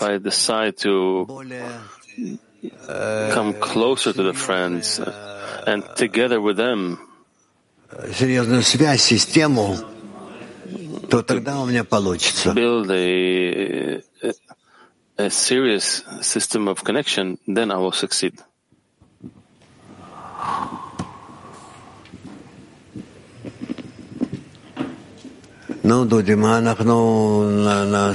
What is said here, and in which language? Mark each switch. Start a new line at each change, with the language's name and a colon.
English: If I decide to come closer to the friends and together with them,
Russian: серьезную связь, систему, то тогда у меня получится.
English: Build a serious system of connection, then I will succeed. Ну, Дуди, мы нахну на